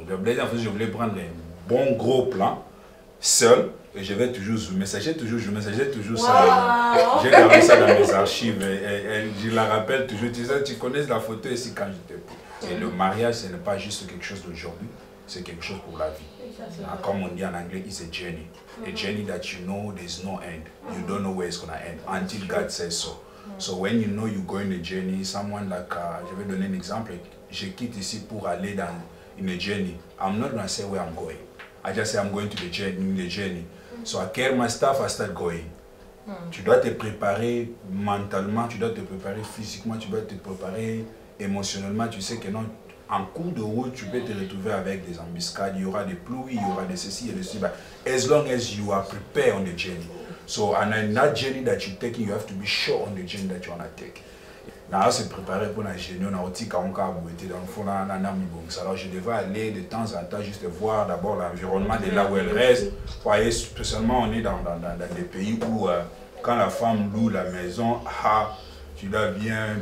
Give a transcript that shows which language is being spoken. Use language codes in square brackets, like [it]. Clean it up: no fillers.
[fr] La deuxième photo, je voulais prendre un bon gros plan, seul. Et je vais toujours zoomer, j'ai toujours wow. Ça, j'ai gardé ça dans mes archives et je la rappelle toujours, tu sais, tu connais la photo ici quand j'étais petit. Et le mariage, ce n'est pas juste quelque chose d'aujourd'hui, c'est quelque chose pour la vie. Ça, comme on dit en anglais, [en] it's a journey. A journey that you know there's no end. You don't know where it's going to end until God says so. So when you know you're going a journey, someone like, [fr] je vais donner un exemple, je quitte ici pour aller dans une journey. [en] I'm not going to say where I'm going. I just say I'm going to the journey. So I care my staff, I start going. [fr] Tu dois te préparer mentalement, tu dois te préparer physiquement, tu dois te préparer émotionnellement. Tu sais que non, en cours de route, tu peux te retrouver avec des embuscades, il y aura des pluies, il y aura des ceci et des ceci. [en] As long as you are prepared on the journey. So on that journey that you're taking, you have to be sure on the journey that you want to take. [fr] Là, on s'est préparé pour la génie, Alors, je devais aller de temps en temps juste voir d'abord l'environnement de là où elle reste. Vous voyez, spécialement, on est dans des pays où, quand la femme loue la maison, tu dois bien.